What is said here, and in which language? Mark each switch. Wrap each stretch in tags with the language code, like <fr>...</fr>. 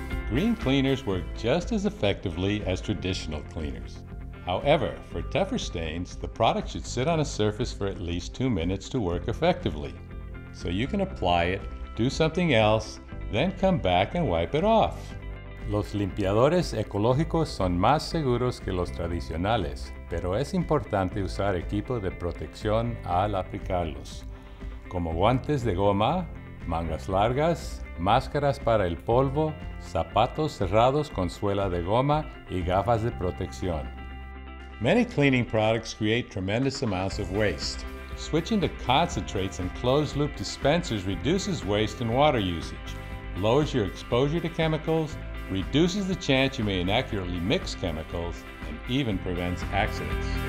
<en>Green cleaners work just as effectively as traditional cleaners. However, for tougher stains, the product should sit on a surface for at least 2 minutes to work effectively. So you can apply it, do something else, then come back and wipe it off.</en> <es>Los limpiadores ecológicos son más seguros que los tradicionales, pero es importante usar equipo de protección al aplicarlos, como guantes de goma, mangas largas, máscaras para el polvo, zapatos cerrados con suela de goma y gafas de protección.</es> <en>Many cleaning products create tremendous amounts of waste. Switching to concentrates and closed-loop dispensers reduces waste and water usage, lowers your exposure to chemicals, reduces the chance you may inaccurately mix chemicals, and even prevents accidents.</en>